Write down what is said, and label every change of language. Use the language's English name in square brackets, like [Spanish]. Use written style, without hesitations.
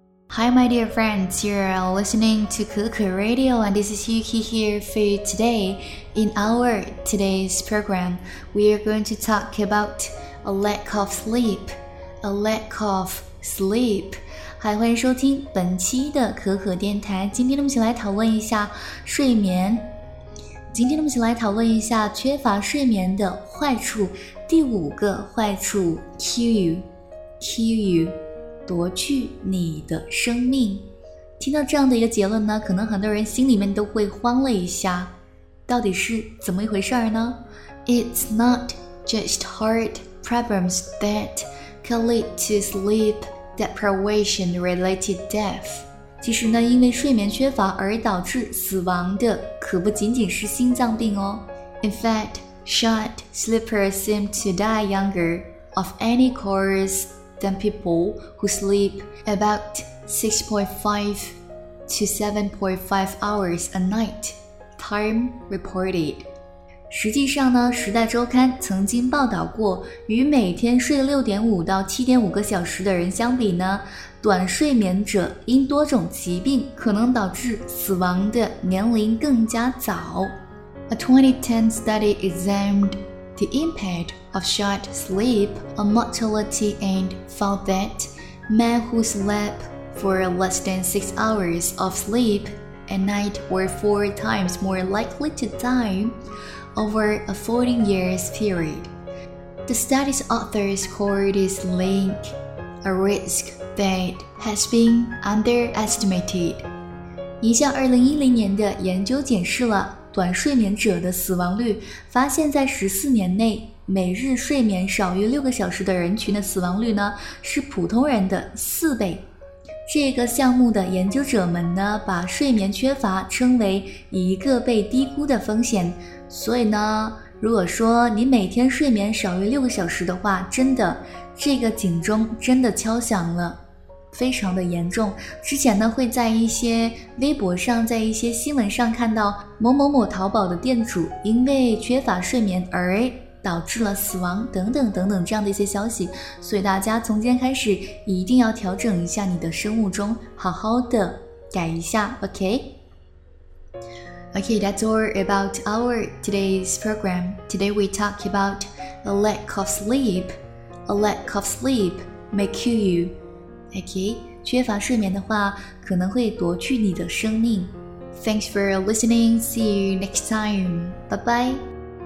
[English] Hi, my dear friends, you are listening to Kuku Radio, and this is Yuki here for you today. In our today's program, we are going to talk about a lack of sleep. A lack of sleep. [Chinese] 欢迎收听本期的可可电台。今天我们一起来讨论一下睡眠。今天我们一起来讨论一下缺乏睡眠的坏处。第五个坏处 , [English] kill you. [Chinese] 夺去你的生命，听到这样的一个结论呢，可能很多人心里面都会慌了一下，到底是怎么一回事儿呢？ [English] It's not just heart problems that can lead to sleep deprivation related death. [Chinese] 其实呢，因为睡眠缺乏而导致死亡的可不仅仅是心脏病哦。 [English] In fact, short sleepers seem to die younger of any cause. Than people who sleep about 6.5 to 7.5 hours a night, Time reported. [Chinese] 实际上呢，《时代周刊》曾经报道过，与每天睡6.5到7.5个小时的人相比呢，短睡眠者因多种疾病可能导致死亡的年龄更加早。 [English] A 2010 study examined. The impact of short sleep on mortality and found that men who slept for less than 6 hours of sleep a night were 4 times more likely to die over a 14-year period. The study's authors called this link a risk that has been underestimated. [Chinese] 一项2010年的研究检视了短睡眠者的死亡率，发现在14年内每日睡眠少于6个小时的人群的死亡率呢是普通人的4倍。这个项目的研究者们呢把睡眠缺乏称为一个被低估的风险，所以呢如果说你每天睡眠少于6个小时的话，真的这个警钟真的敲响了，非常的严重。之前呢会在一些微博上，在一些新闻上看到某某某淘宝的店主因为缺乏睡眠而导致了死亡等等等等这样的一些消息，所以大家从今天开始一定要调整一下你的生物钟，好好的改一下。 [English] OK, that's all about our today's program. Today we talk about a lack of sleep. A lack of sleep may kill youOK, [Chinese] 缺乏睡眠的话可能会夺去你的生命。 [English] Thanks for listening, see you next time. Bye bye.